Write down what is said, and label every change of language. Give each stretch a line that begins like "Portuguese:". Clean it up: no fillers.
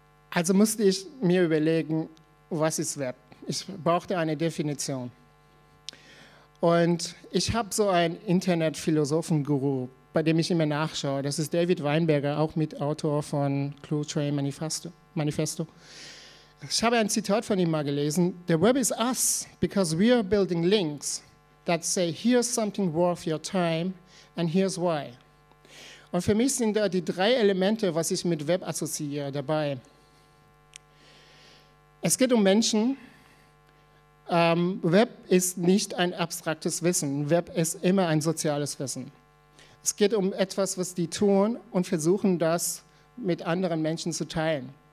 German: Also musste ich mir überlegen, was ist Web? Ich brauchte eine Definition. Und ich habe so einen Internetphilosophen-Guru, bei dem ich immer nachschaue. Das ist David Weinberger, auch Mitautor von Clue Train Manifesto. Ich habe ein Zitat von ihm mal gelesen.
English: The web is us, because we are building links that say, here's something worth your time, and here's why.
German: Und für mich sind da die 3 Elemente, was ich mit Web assoziiere, dabei. Es geht um Menschen. Web ist nicht ein abstraktes Wissen. Web ist immer ein soziales Wissen. Es geht um etwas, was die tun und versuchen, das mit anderen Menschen zu teilen.